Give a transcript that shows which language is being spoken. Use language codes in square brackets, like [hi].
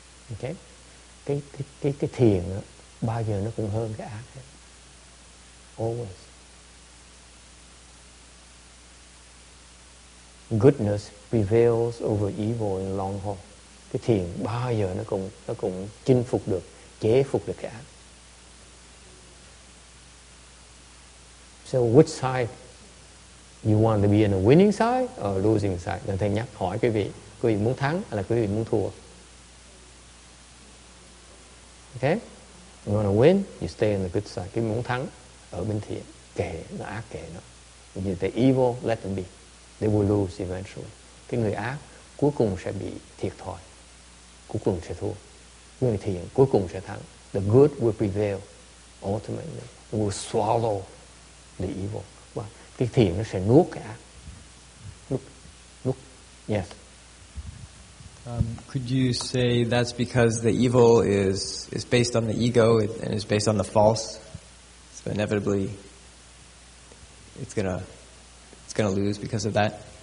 [vi] Okay, cái thiện đó, bao giờ nó cũng hơn cái ác hết. [en] Always. Goodness prevails over evil in the long haul. [vi] Cái thiện bao giờ nó cũng chinh phục được, chế phục được cái ác. [en] So which side you want to be in, the winning side or losing side? [vi] Là thầy nhắc hỏi quý vị muốn thắng hay là quý vị muốn thua? [en] Okay? You want to win, you stay on the good side. [vi] Cái muốn thắng ở bên thiện, kệ nó, ác kệ nó. Như [en] the evil, let them be. They will lose eventually. [vi] Cái người ác cuối cùng sẽ bị thiệt thòi, cuối cùng sẽ thua. Người thiện cuối cùng sẽ thắng. [en] The good will prevail ultimately. It will swallow the evil. [vi] Well, cái thiện nó sẽ nuốt cái ác. Nuốt. [en] Yes. Could you say that's because the evil is based on the ego and is based on the false? So inevitably, it's gonna lose because of that.